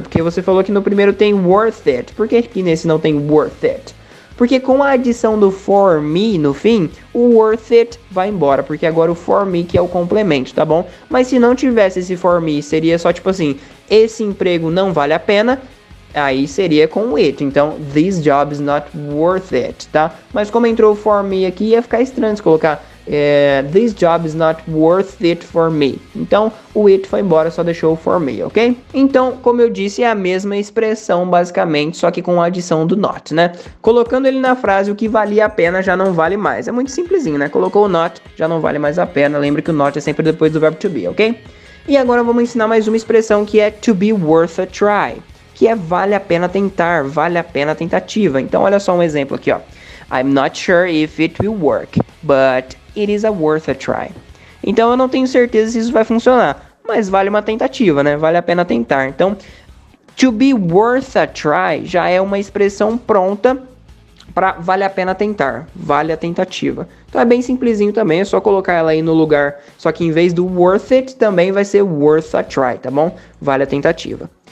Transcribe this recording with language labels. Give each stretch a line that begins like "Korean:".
Portuguese: Porque você falou que no primeiro tem worth it. Por que aqui nesse não tem worth it? Porque com a adição do for me no fim, o worth it vai embora. Porque agora o for me que é o complemento, tá bom? Mas se não tivesse esse for me, seria só tipo assim, esse emprego não vale a pena, aí seria com o it. Então,
English: this job is not worth it,
Portuguese: tá? Mas como entrou o for me aqui, ia ficar estranho se colocar
English: this job is not worth it for me.
Portuguese: Então, o it foi embora, só deixou o for me, ok? Então, como eu disse, é a mesma expressão, basicamente, só que com a adição do not, né? Colocando ele na frase, o que valia a pena já não vale mais. É muito simplesinho, né? Colocou o not, já não vale mais a pena. Lembra que o not é sempre depois do verbo to be, ok? E agora vamos ensinar mais uma expressão, que é
English: to be worth a try.
Portuguese: Que é vale a pena tentar, vale a pena a tentativa. Então, olha só um exemplo aqui, ó.
English: I'm not sure if it will work, but it is a worth a try.
Portuguese: Então eu não tenho certeza se isso vai funcionar, mas vale uma tentativa, né? Vale a pena tentar. Então,
English: to be worth a try
Portuguese: já é uma expressão pronta para vale a pena tentar, vale a tentativa. Então é bem simplesinho também, é só colocar ela aí no lugar, só que em vez do worth it, também vai ser
English: worth a try,
Portuguese: tá bom? Vale a tentativa.